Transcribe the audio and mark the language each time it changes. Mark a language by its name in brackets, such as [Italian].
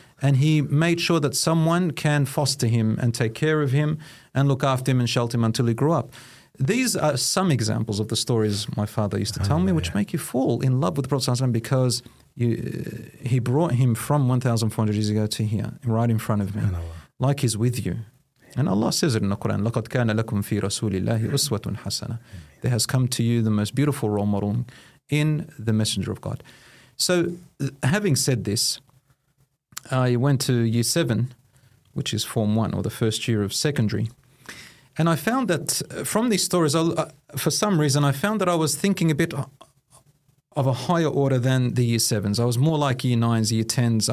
[English] And he made sure that someone can foster him and take care of him and look after him and shelter him until he grew up. These are some examples of the stories my father used to tell me, which make you fall in love with the Prophet ﷺ because he brought him from 1,400 years ago to here, right in front of me, like he's with you. And Allah says it in the Quran, [Arabic] لَقَدْ كَانَ لَكُمْ فِي رَسُولِ اللَّهِ أُسْوَةٌ حَسَنَةٌ. [English] There has come to you the most beautiful role model in the Messenger of God. So having said this, I went to year 7, which is Form 1, or the first year of secondary. And I found that from these stories, for some reason, I found that I was thinking a bit of a higher order than the year 7s. I was more like year 9s, year 10s.